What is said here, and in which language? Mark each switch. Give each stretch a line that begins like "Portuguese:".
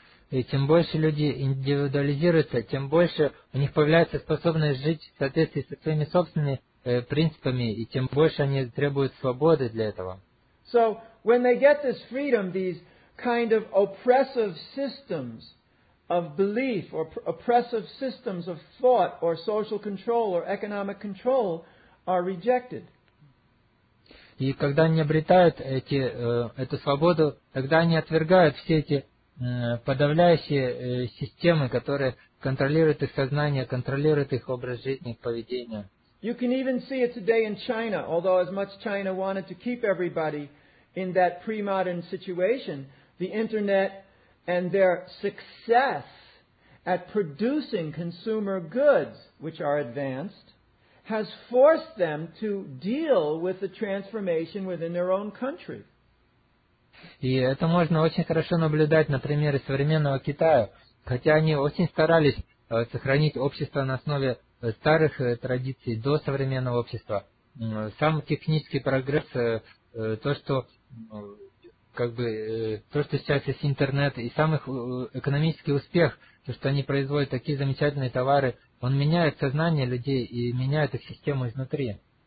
Russian: И тем больше люди индивидуализируются, тем больше у них появляется способность жить в соответствии со своими собственными принципами, и тем больше они требуют свободы для этого.
English: So, when they get this freedom, these kind of oppressive systems of belief or oppressive systems of thought or social control or economic control are rejected.
Russian: И когда они обретают эту свободу, тогда они отвергают все эти подавляющие системы, которые контролируют их сознание, контролируют их образ жизни, их поведение.
English: You can even see it today in China, although as much China wanted to keep everybody in that pre-modern situation, the internet and their success at producing consumer goods, which are advanced, has forced them to deal with the transformation within their own country.
Russian: И это можно очень хорошо наблюдать на примере современного Китая, хотя они очень старались сохранить общество на основе старых традиций до современного общества. Сам технический прогресс, то, что сейчас есть интернет, и сам их экономический успех, то, что они производят такие замечательные товары, он меняет сознание людей и меняет их систему изнутри.